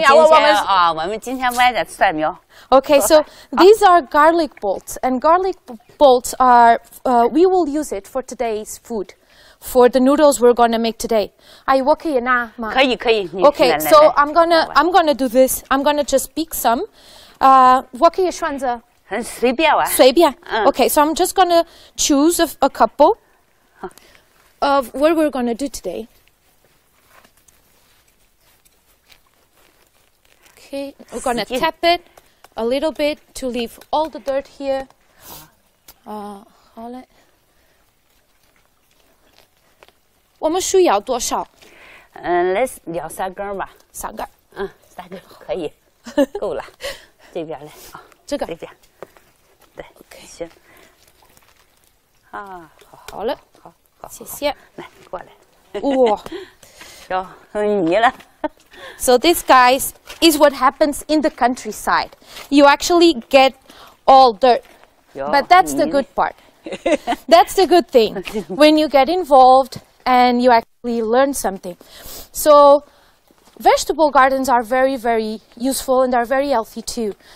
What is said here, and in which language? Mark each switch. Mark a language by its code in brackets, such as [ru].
[zh] 这个蒜苗,我们今天买的蒜苗. [en] Okay, so these are garlic bolts, and garlic bolts are, we will use it for today's food. For the noodles we're gonna make today. [zh] 阿姨,我可以拿吗? 可以,可以. [en] Okay, so I'm gonna do this. I'm gonna just pick some. [zh] 我可以选择? 随便。 [en] Okay, so I'm just gonna choose a couple of what we're gonna do today. Okay, we're gonna tap it a little bit to leave all the dirt here. Hold it. [zh] 我们需要多少? Let's 两三根吧。三根。嗯，三根可以。够了。这边来啊。这个。这边。对。行。啊，好了。好。谢谢。来，过来。哇。要你了。So [en] this guys is what happens in the countryside. You actually get all dirt. But that's the good part. That's the good thing. When you get involved and you actually learn something. So vegetable gardens are very, very useful and are very healthy too.